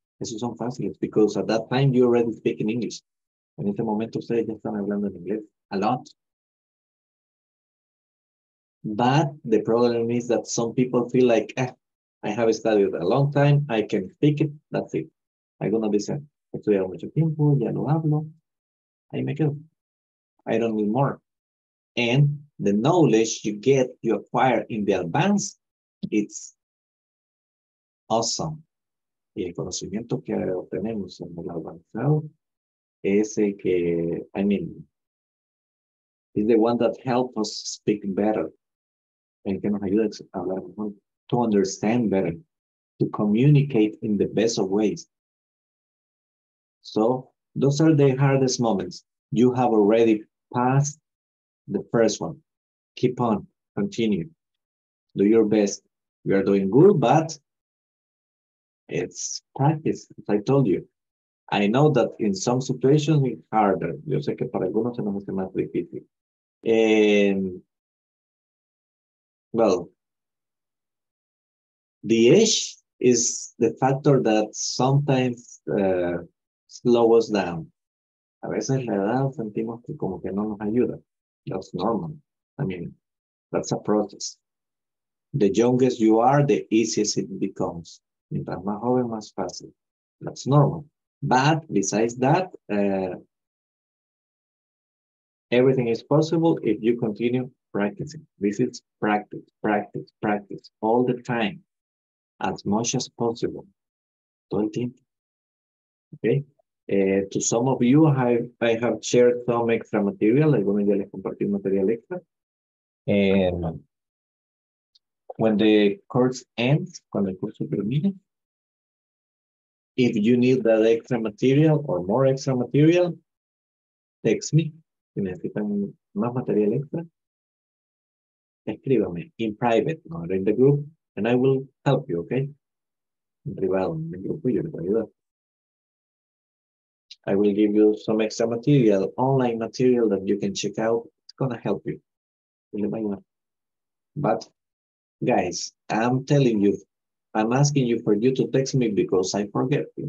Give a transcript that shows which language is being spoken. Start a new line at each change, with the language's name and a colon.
Spanish: Esos son fáciles
English: because at that time you already speak in English.
Spanish: En este momento ustedes ya están hablando en inglés
English: a lot. But the problem is that some people feel like, I have studied a long time. I can speak it. That's it.
Spanish: Alguno dice, he estudiado mucho tiempo, ya lo hablo. Ahí me quedo.
English: I don't need more. And the knowledge you get, you acquire in the advance, it's awesome.
Spanish: Y el conocimiento que obtenemos en el avanzado, ese que,
English: I mean, is the one that helps us speak better.
Spanish: El que nos ayuda a hablar mejor,
English: to understand better, to communicate in the best of ways. So, those are the hardest moments. You have already passed the first one. Keep on, continue. Do your best. You are doing good, but it's practice, as I told you. I know that in some situations it's harder.
Spanish: Yo sé que para algunos se nos hace más difícil.
English: Well, the age is the factor that sometimes slow us down.
Spanish: A veces la edad sentimos que como que no nos ayuda.
English: That's normal. I mean, that's a process. The youngest you are, the easiest it becomes.
Spanish: Mientras más joven, más fácil.
English: That's normal. But besides that, everything is possible if you continue practicing. This is practice, practice, practice all the time. As much as possible.
Spanish: Todo el tiempo.
English: Okay? To some of you, I have shared some extra material.
Spanish: Algunos ya les compartí material extra.
English: When the course ends,
Spanish: cuando el curso termina,
English: if you need that extra material or more extra material, text me.
Spanish: Si necesitan más material extra, escríbame
English: in private, not in the group, and I will help you, okay?
Spanish: En privado, en el grupo, yo les voy a ayudar.
English: I will give you some extra material, online material that you can check out. It's going to help you. But guys, I'm telling you, I'm asking you for you to text me because I forget.